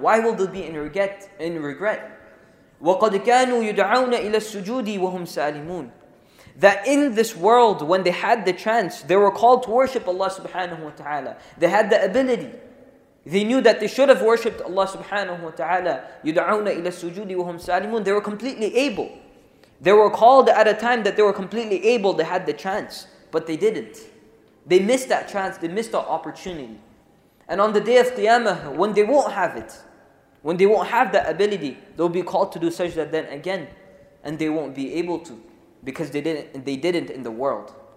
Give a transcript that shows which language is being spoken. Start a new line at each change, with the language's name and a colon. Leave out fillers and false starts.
English: Why will they be in regret?
Arabic: وَقَدْ كَانُوا يُدْعَوْنَ إِلَى السُّجُودِ وَهُمْ سَالِمُونَ
English: That in this world, when they had the chance, they were called to worship Allah subhanahu wa ta'ala. They had the ability. They knew that they should have worshipped Allah subhanahu wa ta'ala.
Arabic: يُدْعَوْنَ إِلَى السُّجُودِ وَهُمْ سَالِمُونَ
English: They were completely able. They were called at a time that they were completely able, they had the chance, but they didn't. They missed that chance, they missed that opportunity. And on the day of Qiyamah, when they won't have it, when they won't have that ability, they'll be called to do sajda then again, and they won't be able to, because they didn't in the world.